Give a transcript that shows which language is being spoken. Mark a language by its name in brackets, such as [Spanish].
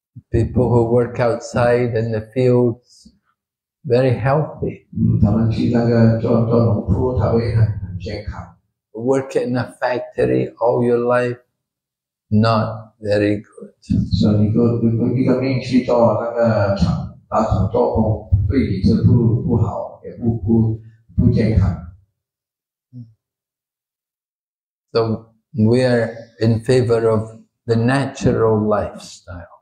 [English] People who work outside in the fields, very healthy. [Chinese] 他们去那个做农夫，他会很健康。 [English] Work in a factory all your life, not very good. [Chinese] 所以你一个兵去做那个厂，打厂做工，对你是不好，也不健康。 [English] So we are in favor of the natural lifestyle.